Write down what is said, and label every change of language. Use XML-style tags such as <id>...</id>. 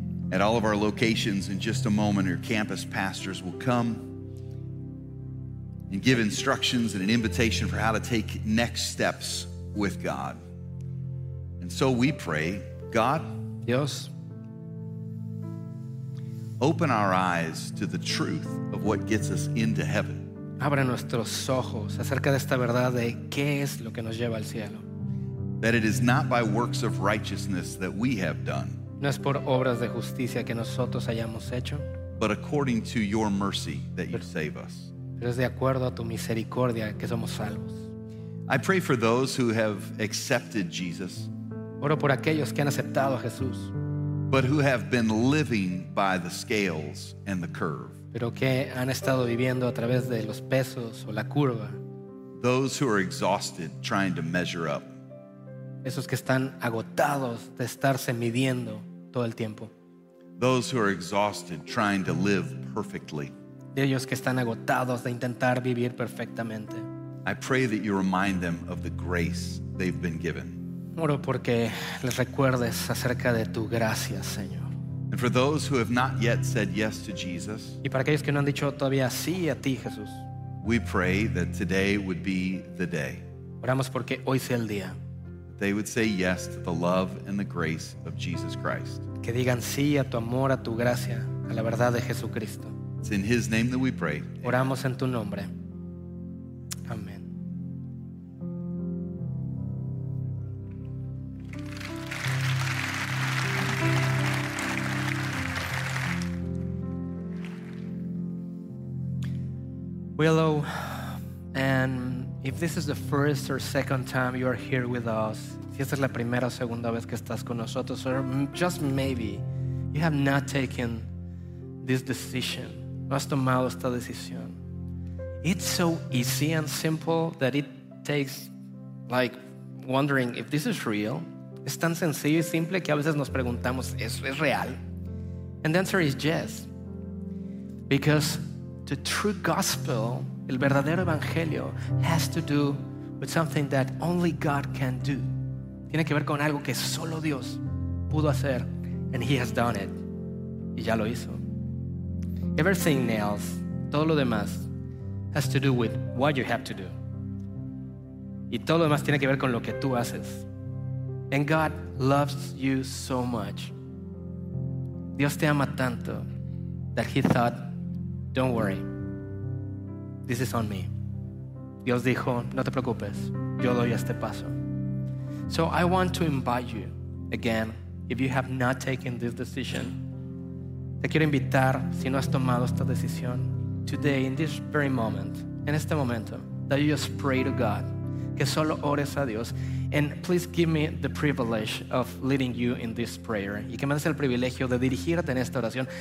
<en>At all of our locations in just a moment, your campus pastors will come and give instructions and an invitation for how to take next steps with God. And so we pray, God,</en> <es>Dios,</es> <en>open our eyes to the truth of what gets us into heaven.</en> <es>Abre nuestros ojos acerca de esta verdad de qué es lo que nos lleva al cielo.</es> <en>That it is not by works of righteousness that we have done.</en> <es>No es por obras de justicia que nosotros hayamos hecho.</es> <en>But according to your mercy that you save us.</en> <es>Pero es de acuerdo a tu misericordia que somos salvos.</es> <en>I pray for those who have accepted Jesus.</en> <es>Oro por aquellos que han aceptado a Jesús.</es> <en>But who have been living by the scales and the curve.</en> <es>Pero que han estado viviendo a través de los pesos o la curva.</es> <en>Those who are exhausted trying to measure up.</en> <es>Esos que están agotados de estarse midiendo todo el tiempo.</es> <en>Those who are exhausted trying to live perfectly.</en> <es>de ellos que están agotados de intentar vivir perfectamente.</es> <en>I pray that you remind them of the grace they've been given.</en> <es>Oro porque les recuerdes acerca de tu gracia, Señor.</es> <en>And for those who have not yet said yes to Jesus,</en> <es>y para aquellos que no han dicho todavía sí a ti, Jesús,</es> <en>we pray that today would be the day.</en> <es>Oramos porque hoy sea el día.</es> <en>They would say yes to the love and the grace of Jesus Christ.</en> <es>Que digan sí a tu amor, a tu gracia, a la verdad de Jesucristo.</es> <en>It's in His name that we pray.</en> <es>Oramos en tu nombre. Amén.</es> <en>Willow, and if this is the first or second time you are here with us,</en> <es>si esta es la primera o segunda vez que estás con nosotros,</es> <en>or just maybe you have not taken this decision,</en> <es>no has tomado esta decisión,</es> <en>it's so easy and simple that it takes like wondering if this is real.</en> <es>Es tan sencillo y simple que a veces nos preguntamos, ¿es real?</es> <en>And the answer is yes. Because the true gospel,</en> <es>el verdadero evangelio,</es> <en>has to do with something that only God can do.</en> <es>Tiene que ver con algo que solo Dios pudo hacer.</es> <en>And He has done it.</en> <es>Y ya lo hizo.</es> <en>Everything else,</en> <es>todo lo demás,</es> <en>has to do with what you have to do.</en> <es>Y todo lo demás tiene que ver con lo que tú haces.</es> <en>And God loves you so much.</en> <es>Dios te ama tanto</es> <en>that He thought, don't worry, this is on me.</en> <es>Dios dijo, no te preocupes, yo doy este paso.</es> <en>So I want to invite you again, if you have not taken this decision,</en> <es>te quiero invitar, si no has tomado esta decisión,</es> <en>today, in this very moment,</en> <es>en este momento,</es> <en>that you just pray to God,</en> <es>que solo ores a Dios,</es> <en>and please give me the privilege of leading you in this prayer,</en> <es>y que me des el privilegio de dirigirte en esta oración.</es>